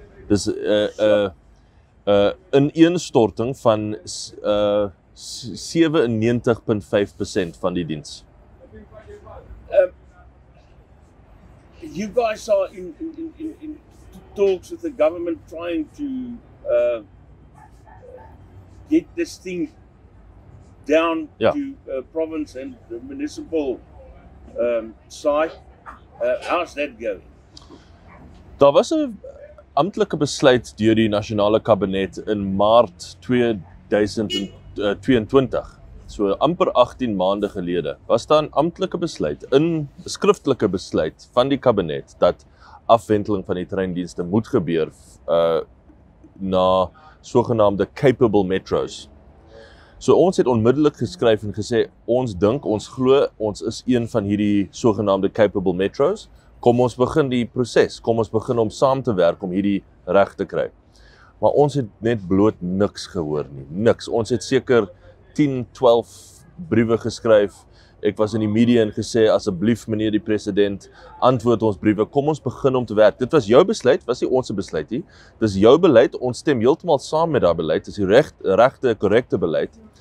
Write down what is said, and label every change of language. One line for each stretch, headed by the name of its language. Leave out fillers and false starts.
Afrikaans: Dis 'n ineenstorting van 97.5% van die diens.
English: You guys are in talks with the government trying to get this thing down to province and the municipal side. How's that going?
Afrikaans: Daar was 'n amptelike besluit deur die nasionale kabinet in Maart 2022. So amper 18 maande gelede was daar 'n amptelike besluit, 'n skriftelike besluit van die kabinet dat afwenteling van die treindienste moet gebeur na sogenaamde capable metros. So ons het onmiddellik geskryf en gesê ons dink, ons glo, ons is een van hierdie sogenaamde capable metros. Kom ons begin die proses, kom ons begin om saam te werk om hierdie reg te kry. Maar ons het net bloot niks gehoor nie, niks. Ons het seker 10, 12 briewe geskryf. Ek was in die media en gesê, asseblief meneer die president, antwoord ons briewe, kom ons begin om te werk. Dit was jou besluit, was nie ons besluit nie. Dis jou beleid, ons stem heeltemal saam met daai beleid, dis die regte, korrekte beleid.